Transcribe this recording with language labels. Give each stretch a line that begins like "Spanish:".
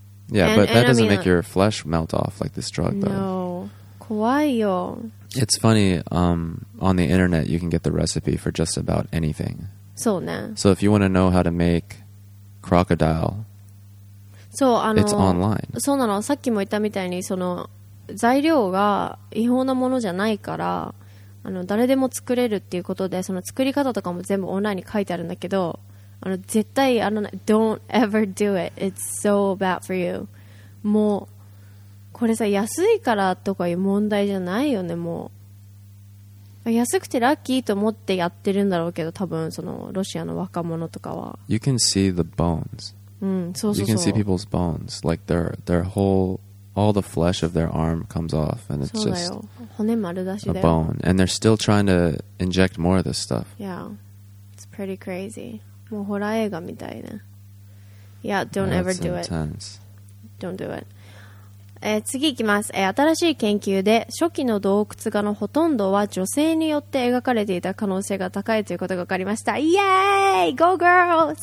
English: Yeah, and, but that doesn't make your flesh melt off like this drug, though. No,
Japanese: 怖いよ。
English: It's funny, on the internet you can get the recipe for just about anything.
Japanese: そうね。
English: So if you want to know how to make crocodile,
Japanese: そうあの
English: It's online.
Japanese: そうなの。さっきも言ったみたいにその材料が違法なものじゃないからあの誰でも作れるっていうことでその作り方とかも全部オンラインに書いてあるんだけど、あの絶対あの
English: Don't ever do it. It's so bad for you.
Japanese: もうこれさ安いからとかいう問題じゃないよね。もう安くてラッキーと思ってやってるんだろうけど、多分そのロシアの若者とかは
English: You can see the bones. You can see people's bones, like their whole, all the flesh of their arm comes off, and it's just a bone. And they're still trying to inject more of this stuff. Yeah, it's pretty crazy.
Japanese: もうホラー映画みたいね。
English: Yeah, don't ever do it. Don't do it.
Japanese: 次いきます。新しい研究で初期の洞窟画のほとんどは女性によって描かれていた可能性が高いということが分かりました。
English: イエーイ!Go girls!